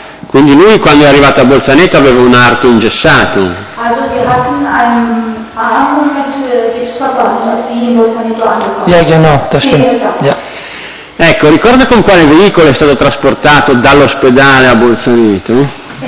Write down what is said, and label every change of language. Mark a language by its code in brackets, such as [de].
[it] Quindi lui quando è arrivato a Bolzaneto aveva un arto ingessato. [de] Also sie hatten einen Arm mit Gipsverband, als sie in Bolzaneto angekommen. Ja, genau, das stimmt. Ja. [it] Ecco, ricorda con quale veicolo è stato trasportato dall'ospedale a Bolzaneto?